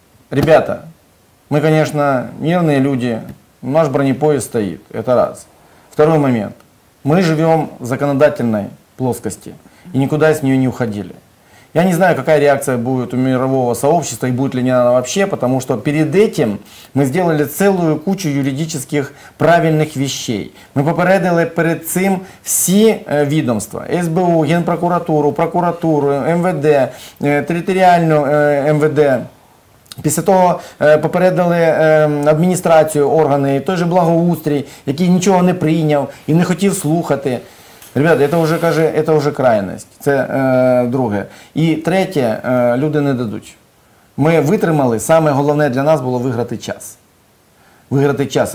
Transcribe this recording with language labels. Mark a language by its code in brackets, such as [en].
[uk] Ребята, ми, звісно, мирні люди, наш бронепоїзд стоїть, це раз. [ru] Второй момент. [uk] Ми живемо в законодательній [ru] плоскости и никуда из нее не уходили. Я не знаю, какая реакция будет у мирового сообщества и будет ли она вообще, потому что перед этим мы сделали целую кучу юридических правильных вещей. Мы попередили перед этим все ведомства, СБУ, Генпрокуратуру, прокуратуру, МВД, территориальную МВД. [uk] Після того попередили адміністрацію, органи, той же благоустрій, який нічого не прийняв і не хотів слухати. [ru] Ребята, это уже, каже, это уже крайность. Это друге. И третье, люди не дадуть. [uk] Ми витримали, саме головне для нас було виграти час. Виграти час.